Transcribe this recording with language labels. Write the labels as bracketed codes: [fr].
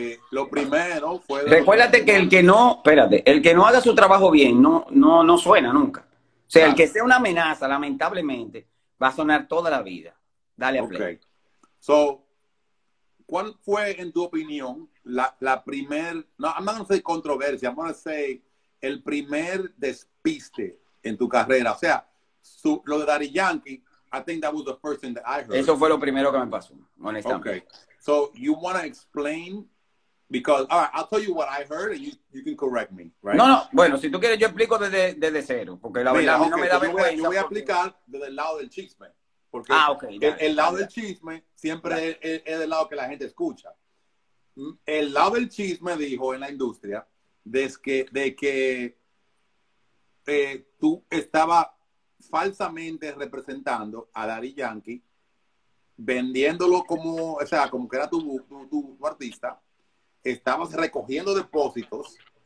[es] Lo primero fue... Recuérdate que el que no haga su trabajo bien no suena nunca. O sea, claro. El que sea una amenaza, lamentablemente, va a sonar toda la vida. Dale a play. Okay. So, ¿cuál fue, en tu opinión, la primer... [en] No, I'm not gonna say controversia, I'm gonna say... [es] El primer despiste en tu carrera, o sea, lo de Daddy Yankee, [en] I think that was the first thing that I heard. [es] Eso fue lo primero que me pasó, honestamente. Okay. [en] So you want to explain, because all right, I'll tell you what I heard and you can correct me, right? [es] No, no, bueno, si tú quieres yo explico desde cero, porque la verdad okay. No me da vergüenza. Yo voy a explicar desde el lado del chisme, porque del chisme siempre es el lado que la gente escucha. El lado del chisme dijo en la industria de que tú estabas falsamente representando a Daddy Yankee, vendiéndolo como, o sea, como que era tu artista, estabas recogiendo depósitos.